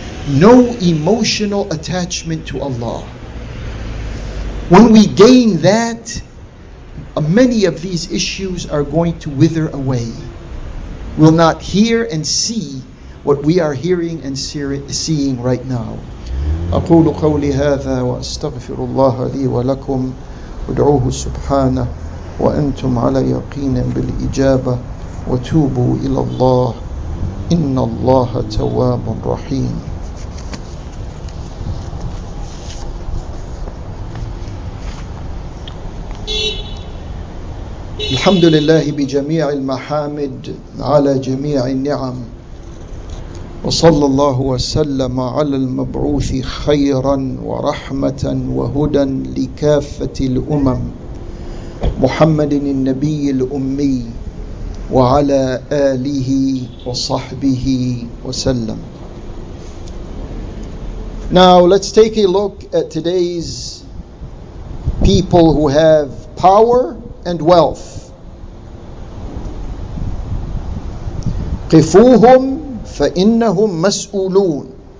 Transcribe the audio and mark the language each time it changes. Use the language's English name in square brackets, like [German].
[English] No emotional attachment to Allah. When we gain that, many of these issues are going to wither away. We'll not hear and see what we are hearing and seeing right now. [Arabic] أقول قولي هذا وأستغفر الله لي ولكم ودعوه سبحانه وأنتم على يقين بالإجابة وتوبوا إلى الله إن الله تواب رحيم. الحمد لله بجميع المحامد على جميع النعم وصلى الله وسلم على المبعوث خيرا ورحمة وهدى لكافة الأمم محمد النبي الأمي وعلى آله وصحبه وسلم. [English] Now let's take a look at today's people who have power and wealth. [Arabic] قفوهم فإنهم مسؤولون.